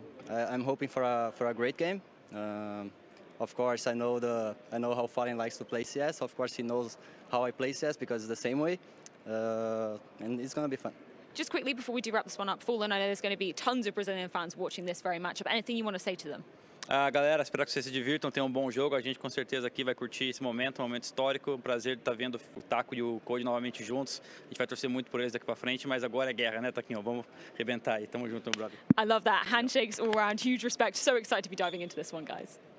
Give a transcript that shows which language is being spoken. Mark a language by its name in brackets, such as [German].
[English] I'm hoping for a great game. Of course, I know how FalleN likes to play CS. Of course, he knows how I play CS because it's the same way, and it's going to be fun. Just quickly before we do wrap this one up, FalleN, I know there's going to be tons of Brazilian fans watching this very matchup. Anything you want to say to them? [Portuguese] Galera, espero que vocês se divirtam, tenham um bom jogo. A gente com certeza aqui vai curtir esse momento, um momento histórico. Um prazer estar vendo o Taco e o Code novamente juntos. A gente vai torcer muito por eles daqui para frente, mas agora é guerra, né, Taquinho? Vamos arrebentar aí. Tamo junto, meu brother. [English] I love that. Handshakes all around. Huge respect. So excited to be diving into this one, guys.